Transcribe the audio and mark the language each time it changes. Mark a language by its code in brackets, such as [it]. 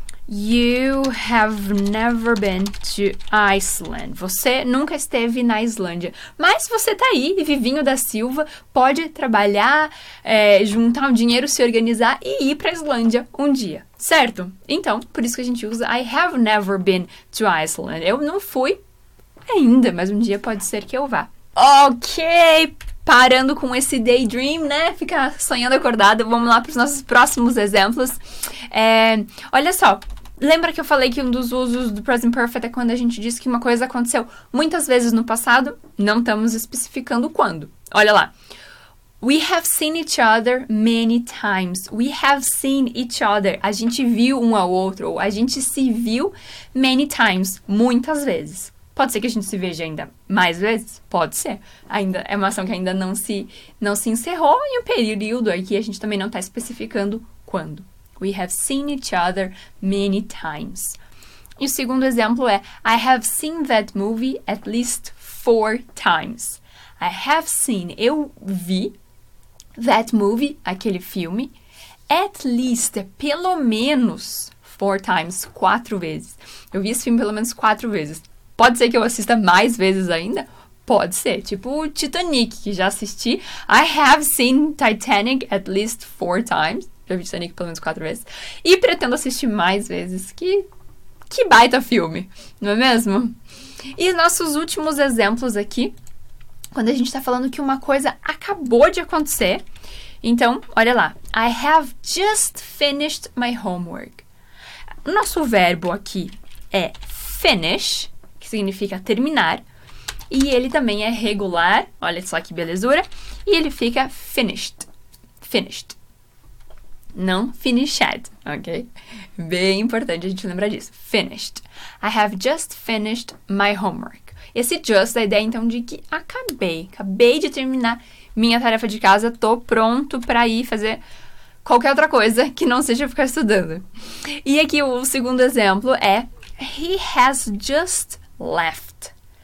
[en] You have never been to Iceland. [pt] Você nunca esteve na Islândia. Mas você tá aí, Vivinho da Silva, pode trabalhar, juntar um dinheiro, se organizar e ir pra Islândia um dia. Certo? Então, por isso que a gente usa [en] I have never been to Iceland. [pt] Eu não fui ainda, mas um dia pode ser que eu vá. Ok, parando com esse daydream, né? Ficar sonhando acordado. Vamos lá para os nossos próximos exemplos. Olha só, lembra que eu falei que um dos usos do present perfect é quando a gente diz que uma coisa aconteceu muitas vezes no passado? Não estamos especificando quando. Olha lá. [en] We have seen each other many times. We have seen each other. [pt] A gente viu um ao outro. Ou a gente se viu [en] many times. [pt] Muitas vezes. Pode ser que a gente se veja ainda mais vezes? Pode ser. Ainda, é uma ação que ainda não se encerrou. E o período aqui a gente também não está especificando quando. [en] We have seen each other many times. [pt] E o segundo exemplo é [en] I have seen that movie at least 4 times. I have seen, [pt] eu vi, [en] that movie, [pt] aquele filme, [en] at least, [pt] é pelo menos [en] 4 times, [pt] 4 vezes. Eu vi esse filme pelo menos 4 vezes. Pode ser que eu assista mais vezes ainda? Pode ser, tipo Titanic, que já assisti. [en] I have seen Titanic at least 4 times. [pt] Já vi Titanic pelo menos 4 vezes. E pretendo assistir mais vezes. Que baita filme, não é mesmo? E nossos últimos exemplos aqui. quando a gente está falando que uma coisa acabou de acontecer. Então, olha lá. [en] I have just finished my homework. [pt] Nosso verbo aqui é finish, que significa terminar. E ele também é regular. Olha só que belezura. E ele fica finished. Finished. Não finished, ok? Bem importante a gente lembrar disso. [en] Finished. I have just finished my homework. [pt] Esse just é a ideia, então, de que acabei. Acabei de terminar minha tarefa de casa. Tô pronto para ir fazer qualquer outra coisa que não seja ficar estudando. E aqui o segundo exemplo é [en] he has just left.